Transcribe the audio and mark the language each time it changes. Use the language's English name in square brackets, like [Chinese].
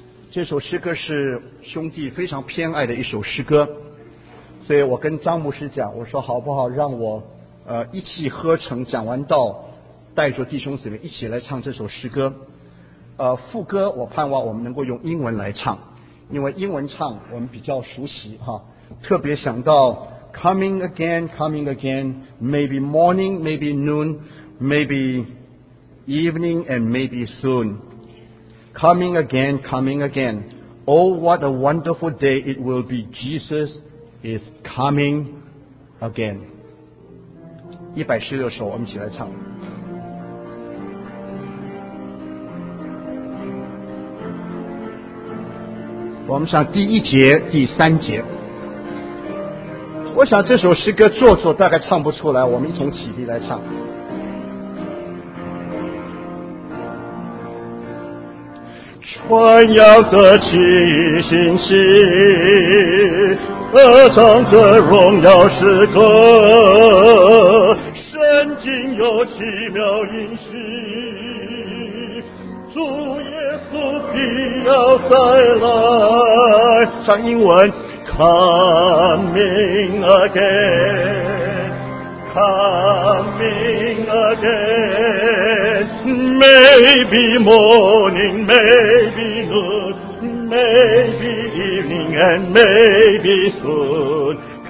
[Chinese] 这首诗歌是兄弟非常偏爱的一首诗歌，所以我跟张牧师讲，我说好不好让我一气呵成讲完道，带着弟兄姊妹一起来唱这首诗歌。副歌我盼望我们能够用英文来唱，因为英文唱我们比较熟悉哈。特别想到 [English] coming again, coming again, maybe morning, maybe noon, maybe evening and maybe soon. Coming again, coming again. Oh, what a wonderful day it will be. Jesus is coming again. [Chinese] 116首，我们一起来唱。我们上第一节第三节，我想这首诗歌做作大概唱不出来，我们一同起立来唱。传扬的启信息，歌唱的荣耀诗歌，神经有奇妙音讯，主耶稣必要再来。唱英文 [English] coming again, coming again. Maybe morning, maybe noon, maybe evening, and maybe soon.